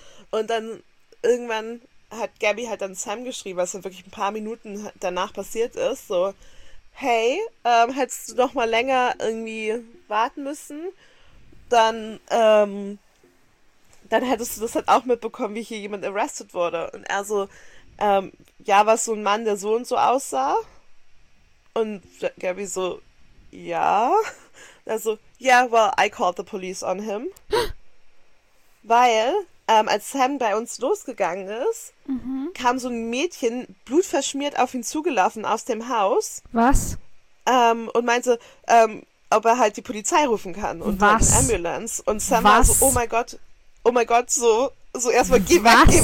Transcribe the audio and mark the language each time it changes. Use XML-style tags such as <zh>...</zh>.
<de>Und dann irgendwann hat Gabby halt dann Sam geschrieben, was dann wirklich ein paar Minuten danach passiert ist, so, hey, hättest du noch mal länger irgendwie warten müssen, dann hättest du das halt auch mitbekommen, wie hier jemand arrested wurde. Und er so, ja, war es so ein Mann, der so und so aussah? Und Gabby so, ja. Er so,</de> <en>yeah, well, I called the police on him.</en> <de>Weil, als Sam bei uns losgegangen ist, kam so ein Mädchen blutverschmiert auf ihn zugelaufen aus dem Haus Was? und meinte, ob er halt die Polizei rufen kann und halt eine Was? Ambulance. Und Sam war so, Was? oh mein Gott, so erstmal, geh weg</de>